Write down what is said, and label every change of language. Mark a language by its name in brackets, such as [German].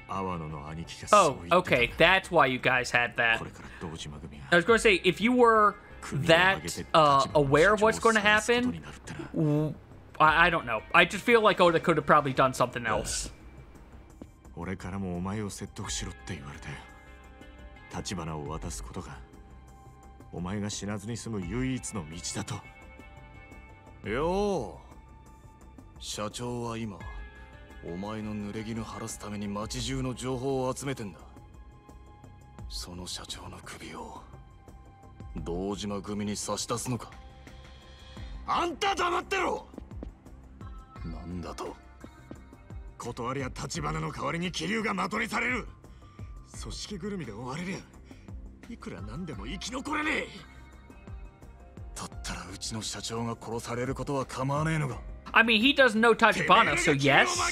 [Japanese] さっきの青野ってやつにうちの社長を渡せって言われたんだろう。さっきおめえが下で暴れてる間、青野の兄貴がそう言ってた。 [English] Oh, okay, that's why you guys had that. I was going to say, if you were that aware of what's going to happen, I don't know. I just feel like Oda could have probably done something else. [Japanese] 俺からもお前を説得しろって言われて、橘を渡すことが。お前が死なずに済む唯一の道だと。よー。社長は今、お前の濡れ衣晴らすために町中の情報を集めてんだ。その社長の首を道島組に差し出すのか。あんた黙ってろ。なんだと。断りや立花の代わりに桐生が的にされる。組織ぐるみで追われりゃいくら何でも生き残れねえ。だったらうちの社長が殺されることは構わねえのか。 [English] I mean, he doesn't know Tachibana, so yes.